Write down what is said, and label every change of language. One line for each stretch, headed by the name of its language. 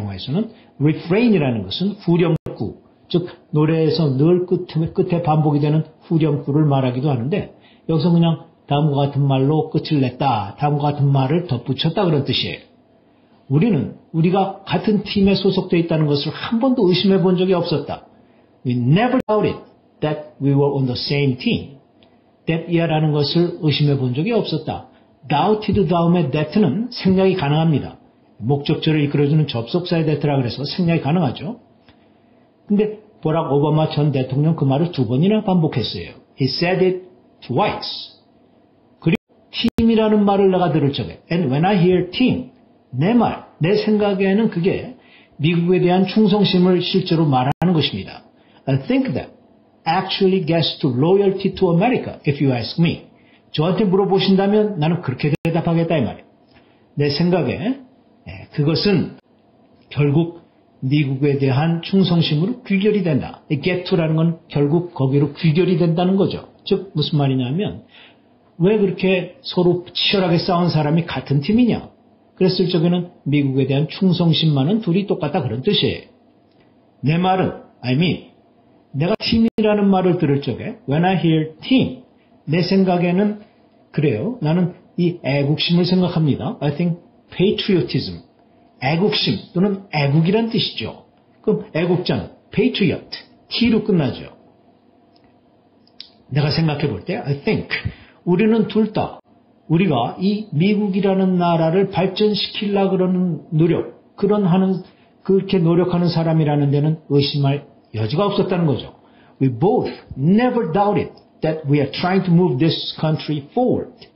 Korean: 영화에서는 refrain이라는 것은 후렴구 즉 노래에서 늘 끝에 반복이 되는 후렴구를 말하기도 하는데 여기서 그냥 다음과 같은 말로 끝을 냈다. 다음과 같은 말을 덧붙였다 그런 뜻이에요. 우리는 우리가 같은 팀에 소속되어 있다는 것을 한 번도 의심해 본 적이 없었다.
English: We never doubted that we were on the same team. That year
Korean: 라는 것을 의심해 본 적이 없었다. Doubted 다음에 that는 생략이 가능합니다. 목적절을 이끌어주는 접속사의 that라 그래서 생략이 가능하죠. 근데 보락 오바마 전 대통령 그 말을 두 번이나 반복했어요.
English: He said it twice.
Korean: 그리고 팀이라는 말을 내가 들을 적에
English: And when I hear team,
Korean: 내 말, 내 생각에는 그게 미국에 대한 충성심을 실제로 말하는 것입니다.
English: I think that actually gets to loyalty to America, if you ask me.
Korean: 저한테 물어보신다면 나는 그렇게 대답하겠다 이 말이에요. 내 생각에 그것은 결국 미국에 대한 충성심으로 귀결이 된다. Get to라는 건 결국 거기로 귀결이 된다는 거죠. 즉 무슨 말이냐면 왜 그렇게 서로 치열하게 싸운 사람이 같은 팀이냐. 그랬을 적에는 미국에 대한 충성심만은 둘이 똑같다 그런 뜻이에요. 내 말은
English: I mean
Korean: 내가 팀이라는 말을 들을 적에
English: When I hear team
Korean: 내 생각에는 그래요. 나는 이 애국심을 생각합니다.
English: I think patriotism
Korean: 애국심 또는 애국이란 뜻이죠. 그럼 애국자는 patriot, T로 끝나죠. 내가 생각해 볼 때
English: I think
Korean: 우리는 둘 다 우리가 이 미국이라는 나라를 발전시키려고 그러는 노력 그런 하는 그렇게 노력하는 사람이라는 데는 의심할 여지가 없었다는 거죠.
English: We both never doubted that we are trying to move this country forward.